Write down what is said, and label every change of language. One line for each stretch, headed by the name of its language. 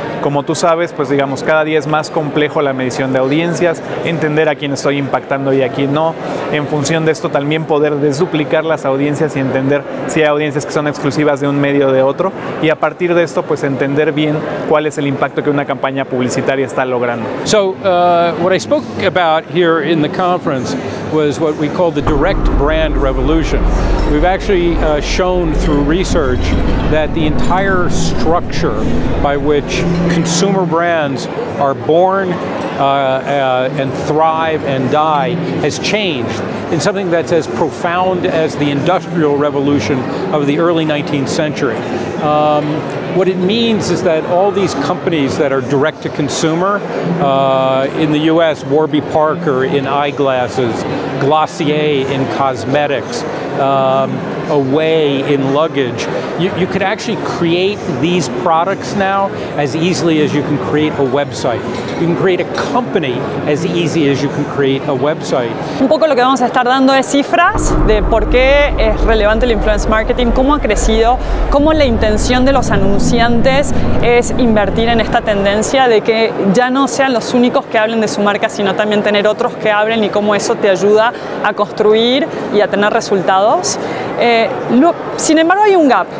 Spanish: Como tú sabes, pues digamos, cada día es más complejo la medición de audiencias, entender a quién estoy impactando y a quién no. En función de esto, también poder desduplicar las audiencias y entender si hay audiencias que son exclusivas de un medio o de otro. Y a partir de esto, pues entender bien cuál es el impacto que una campaña publicitaria está logrando.
English: So, what I spoke about here in the conference was what we call the direct brand revolution. We've actually shown through research that the entire structure by which consumer brands are born and thrive and die has changed in something that's as profound as the Industrial Revolution of the early 19th century. What it means is that all these companies that are direct to consumer, in the US, Warby Parker in eyeglasses, Glossier in cosmetics, away in luggage. You could actually create these products now as easily as you can create a website. You can create a company as easy as you can create a website.
Spanish: Un poco lo que vamos a estar dando es cifras de por qué es relevante el influence marketing, cómo ha crecido, cómo la intención de los anunciantes es invertir en esta tendencia de que ya no sean los únicos que hablen de su marca, sino también tener otros que hablen y cómo eso te ayuda a construir y a tener resultados. Sin embargo, hay un gap.